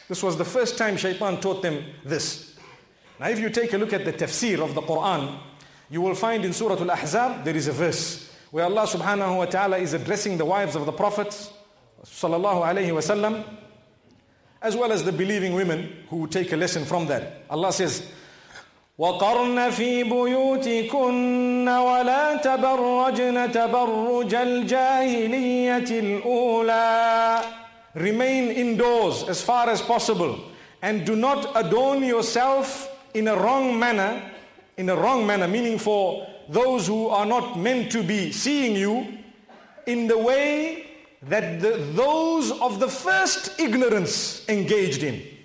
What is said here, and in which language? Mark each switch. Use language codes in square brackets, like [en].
[en] This was the first time Shaytan taught them this. Now if you take a look at the tafsir of the Quran, you will find in Surah Al-Ahzab, there is a verse where Allah subhanahu wa ta'ala is addressing the wives of the Prophet sallallahu alayhi wa sallam, as well as the believing women who take a lesson from that. [ar] Allah says, وَقَرْنَ فِي بُيُوتِكُنَّ وَلَا تَبَرَّجْنَ تَبَرُّجَ الْجَاهِلِيَّةِ الْأُولَىٰ. [en] Remain indoors as far as possible, and do not adorn yourself in a wrong manner. In a wrong manner, meaning for those who are not meant to be seeing you, in the way that those of the first ignorance engaged in.